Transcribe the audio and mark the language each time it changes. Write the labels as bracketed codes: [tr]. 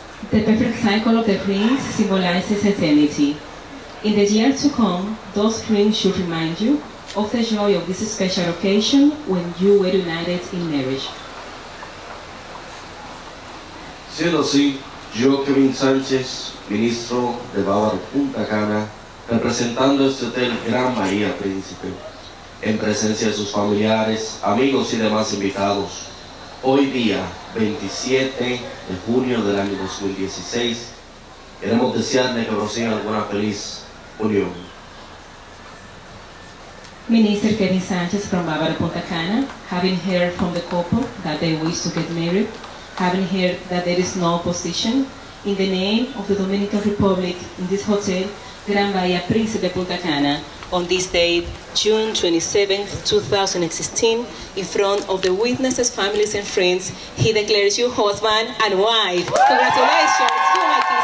[en] The perfect cycle of the rings symbolizes eternity. In the year to come, those rings should remind you of the joy of this special occasion when you were united in marriage. [es] Siendo así, yo, Kevin Sánchez, ministro de Bavaro Punta Cana, representando este hotel Gran Bahía Príncipe, en presencia de sus familiares, amigos y demás invitados, hoy día, 27 de junio del año 2016, queremos desearle que prosiga alguna feliz unión. [en] Minister Kevin Sánchez from Bavaro Punta Cana, having heard from the couple that they wish to get married, having heard that there is no opposition, in the name of the Dominican Republic, in this hotel, Gran Bahía Príncipe Punta Cana, on this day, June 27th, 2016, in front of the witnesses, families, and friends, he declares you husband and wife. Congratulations, you, my